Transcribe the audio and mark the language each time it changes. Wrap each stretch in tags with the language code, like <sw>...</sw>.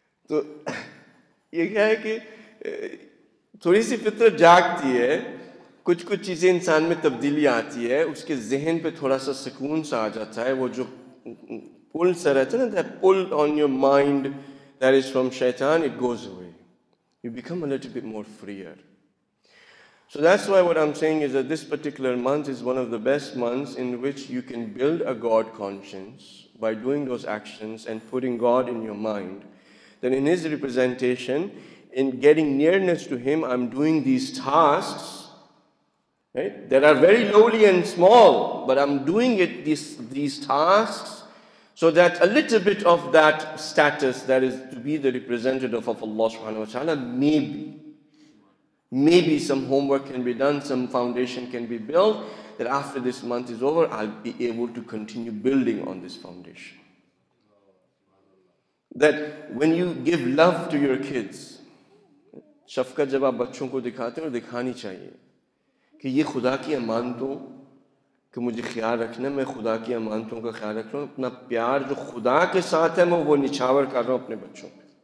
<ur>تو یہ کیا ہے کہ تھوڑی سی فطرت جاگتی ہے, کچھ کچھ چیزیں انسان میں تبدیلی آتی ہے, اس کے ذہن پہ تھوڑا سا سکون سا آ جاتا ہے, وہ جو پل سا رہتا ہے نا,</ur> <en>That pull on your mind that is from شیطان, it goes away, you become a little bit more freer. So that's why what I'm saying is that this particular month is one of the best months in which you can build a God conscience by doing those actions and putting God in your mind. Then in His representation, in getting nearness to Him, I'm doing these tasks, right? That are very lowly and small, but I'm doing it, these tasks, so that a little bit of that status that is to be the representative of Allah subhanahu wa ta'ala, maybe some homework can be done, some foundation can be built, that after this month is over, I'll be able to continue building on this foundation. That when you give love to your kids,</en> <ur>shafqat jab aap bachchon ko dikhate ho, dikhani chahiye, ki ye khuda ki amanaton, کہ مجھے خیال رکھنا ہے, میں خدا کی امانتوں کا خیال رکھ رہا ہوں, اپنا پیار جو خدا کے ساتھ ہے میں وہ نچھاور کر رہا ہوں اپنے بچوں پہ.</ur>